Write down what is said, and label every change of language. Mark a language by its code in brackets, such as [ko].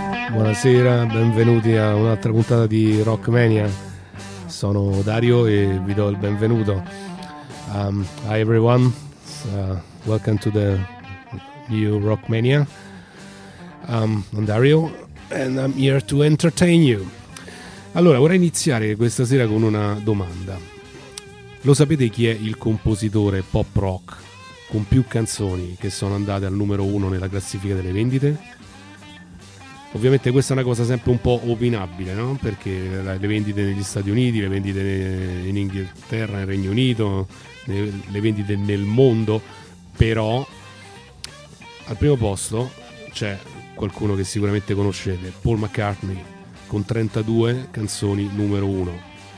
[it] Buonasera, benvenuti a un'altra puntata di Rock Mania. Sono Dario e vi do il benvenuto. [en] Hi everyone, welcome to the new Rock Mania. I'm Dario and I'm here to entertain you. [it] Allora, vorrei iniziare questa sera con una domanda. Lo sapete chi è il compositore pop rock con più canzoni che sono andate al numero uno nella classifica delle vendite? Ovviamente questa è una cosa sempre un po' opinabile, no? Perché le vendite negli Stati Uniti, le vendite in Inghilterra, nel Regno Unito, le vendite nel mondo, però al primo posto c'è qualcuno che sicuramente conoscete, Paul McCartney, con 32 canzoni numero 1.